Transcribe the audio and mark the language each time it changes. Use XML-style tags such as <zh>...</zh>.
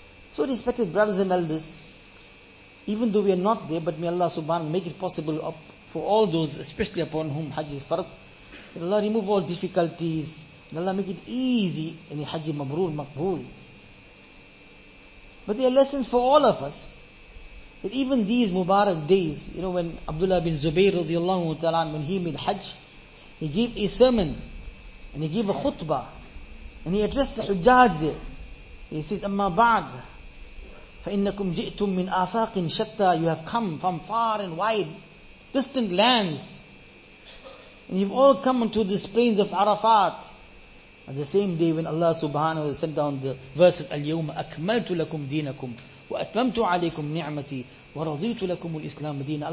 <en>So respected brothers and elders, even though we are not there, but may Allah subhanahu wa ta'ala make it possible for all those, especially upon whom hajj is farad, may Allah remove all difficulties, may Allah make it easy, in hajj mabrur, maqbool. But there are lessons for all of us, that even these Mubarak days, you know, when Abdullah bin Zubayr radiallahu ta'ala, when he made hajj, he gave a sermon, and he gave a khutbah, and he addressed the hujjaj there. He says,</en> <ar>Amma ba'd, فَإِنَّكُمْ جِئْتُمْ مِنْ آفَاقٍ شَتَّى.</ar> <en>You have come from far and wide, distant lands, and you've all come into the plains of Arafat. On the same day when Allah subhanahu wa ta'ala sent down the verses,</en> <ar>الْيَوْمَ أَكْمَلْتُ لَكُمْ دِينَكُمْ وَأَتْمَمْتُ عَلَيْكُمْ نِعْمَتِي وَرَضِيتُ لَكُمُ الْإِسْلَامَ دِينَ.</ar>